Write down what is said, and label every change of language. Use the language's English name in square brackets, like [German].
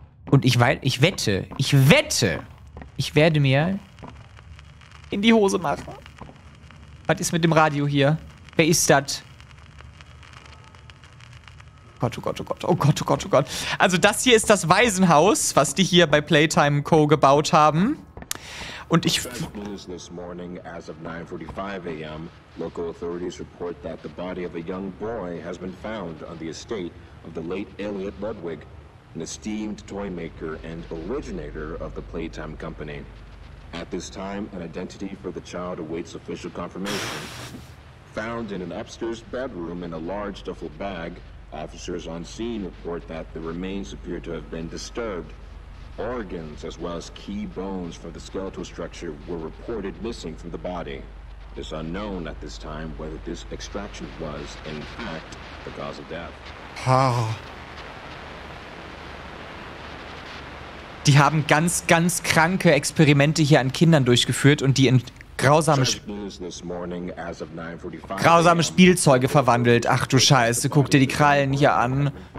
[German] Und ich wette, ich werde mir in die Hose machen. Was ist mit dem Radio hier? Wer ist das? Oh Gott, oh Gott, oh Gott, oh Gott, oh Gott, oh Gott. Also das hier ist das Waisenhaus, was die hier bei Playtime Co. gebaut haben. Und ich... [English] This morning, as of 9:45 a.m., local authorities report that the body of a young boy has been found on the estate of the late Elliot Ludwig, an esteemed toy maker and originator of the Playtime Company. At this time, an identity for the child awaits official confirmation. Found in an upstairs bedroom in a large duffel bag, officers on scene report that the remains appear to have been disturbed. Organs, as well as key bones from the skeletal structure, were reported missing from the body. It is unknown at this time whether this extraction was, in fact, the cause of death. How? [German] Die haben ganz, ganz kranke Experimente hier an Kindern durchgeführt und die in grausame Spielzeuge verwandelt. Ach du Scheiße, guck dir die Krallen hier an.